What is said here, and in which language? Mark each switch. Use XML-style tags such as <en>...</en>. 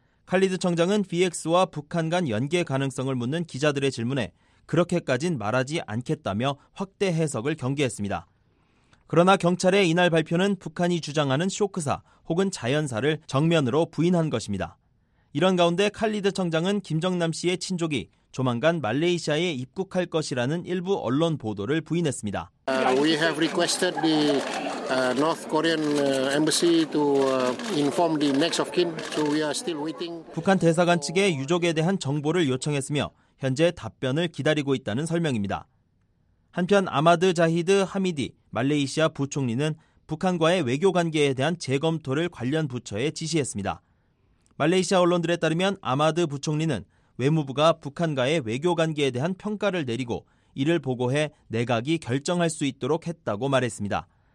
<ko>칼리드 청장은 BX와 북한 간 연계 가능성을 묻는 기자들의 질문에 그렇게까진 말하지 않겠다며 확대 해석을 경계했습니다. 그러나 경찰의 이날 발표는 북한이 주장하는 쇼크사 혹은 자연사를 정면으로 부인한 것입니다. 이런 가운데 칼리드 청장은 김정남 씨의 친족이 조만간 말레이시아에 입국할 것이라는 일부 언론 보도를 부인했습니다.</ko> <en>We have requested the North Korean embassy to inform the next of kin, so we are still waiting.</en> <ko>북한 대사관 측에 유족에 대한 정보를 요청했으며 현재 답변을 기다리고 있다는 설명입니다. 한편 아마드 자히드 하미디 말레이시아 부총리는 북한과의 외교 관계에 대한 재검토를 관련 부처에 지시했습니다. 말레이시아 언론들에 따르면 아마드 부총리는 외무부가 북한과의 외교 관계에 대한 평가를 내리고 이를 보고해 내각이 결정할 수 있도록 했다고 말했습니다.</ko>